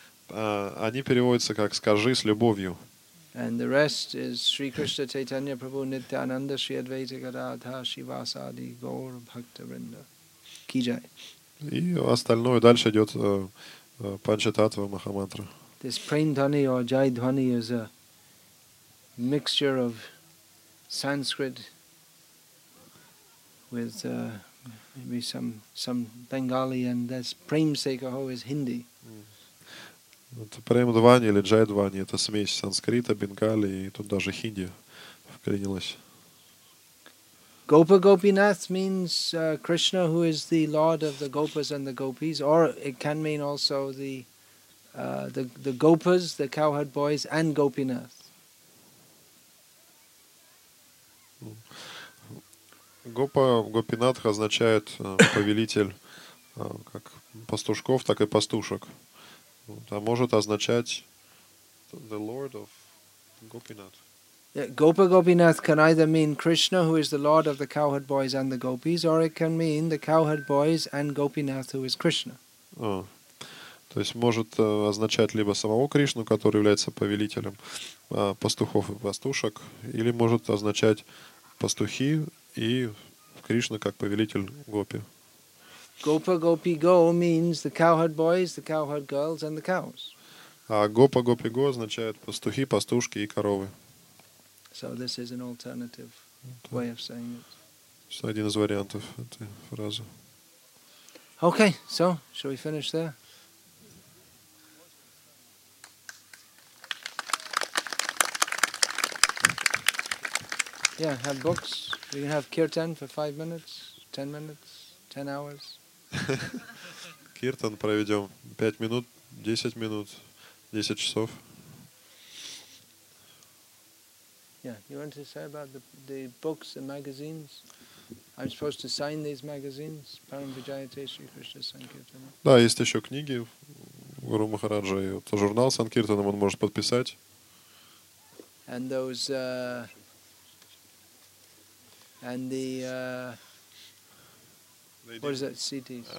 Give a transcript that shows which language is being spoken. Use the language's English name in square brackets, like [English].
[Russian] Они переводятся как «скажи с любовью». [English] And the rest is Shri Krishna Chaitanya Prabhu Nityananda Shri Advaita Gadadha Shivasadi Gaur Bhakta Vrinda Kijai. [Russian] И остальное дальше идет Панчататва Махамантра. [English] This Prendhani or Jaidhani is a mixture of Sanskrit with maybe some Bengali, and this Prem Se Kaho is Hindi. [Russian] Это Премадвани или Джайдвани, это смесь санскрита, бенгали и тут даже хинди вклинилась. [English] Gopa Gopinath means Krishna, who is the lord of the gopas and the gopis, or it can mean also the gopas, the cowherd boys, and Gopinath. [Russian] Gopa Gopinath означает повелитель как пастушков, так и пастушек. А может означать [English] the lord of Gopinath. Yeah, Gopa Gopinath can either mean Krishna, who is the lord of the cowherd boys and the gopis, or it can mean the cowherd boys and Gopinath, who is Krishna. [Russian] То есть может означать либо самого Кришну, который является повелителем пастухов и пастушек, или может означать пастухи и Кришна как повелитель гопи. [English] Gopa Gopi Go means the cowherd boys, the cowherd girls, and the cows. [Russian] А Gopa Gopi Go означает пастухи, пастушки и коровы. [English] So this is an alternative way of saying it. [Russian] Это один из вариантов этой фразы. [English] Okay, so shall we finish there? Yeah, have books. We can have kirtan for 5 minutes, 10 minutes, 10 hours. [Russian] Киртан проведем 5 минут, 10 минут, 10 часов. [English] Yeah, you want to say about the books and magazines? I'm supposed to sign these magazines. Param Vijayate, Shri Krishna Sankirtana. [Russian] Да, есть еще книги Гуру Махараджа, и вот журнал Санкиртана он может подписать. [English] And those and the what is that CDs?